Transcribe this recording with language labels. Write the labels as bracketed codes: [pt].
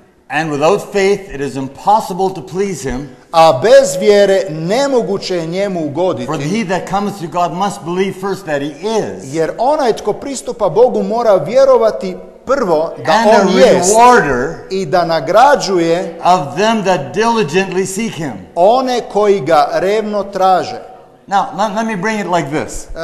[en] And without faith it is impossible to please him. [hr] A bez vjere nemoguće je njemu ugoditi. [en] For he that comes to God must believe first that he is. [hr] Jer onaj tko pristupa Bogu mora vjerovati prvo da [en] and [hr] on jest i da nagrađuje [en] of them that diligently seek him. [hr] One koji ga revno traže. [en] Now let me bring it like this.